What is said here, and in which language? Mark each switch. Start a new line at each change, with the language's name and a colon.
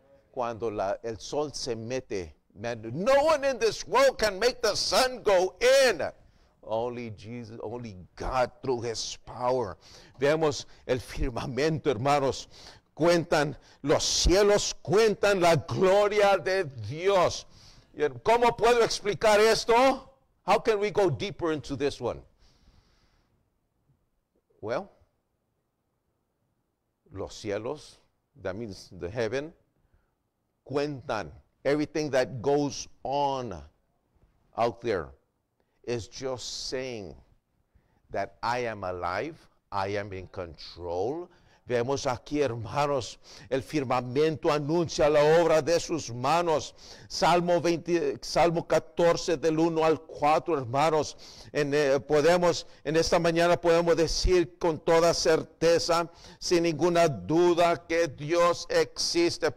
Spanish: Cuando el sol se mete,
English: man, no one in this world can make the sun go in. Only Jesus, only God through His power.
Spanish: Vemos el firmamento, hermanos. Cuentan, los cielos cuentan la gloria de Dios. ¿Cómo puedo explicar esto?
English: How can we go deeper into this one? Well,
Spanish: los cielos,
English: that means the heaven, cuentan. Everything that goes on out there is just saying that I am alive, I am in control.
Spanish: Vemos aquí, hermanos, el firmamento anuncia la obra de sus manos. Salmo 14 del 1 al 4, hermanos. En esta mañana podemos decir con toda certeza, sin ninguna duda, que Dios existe.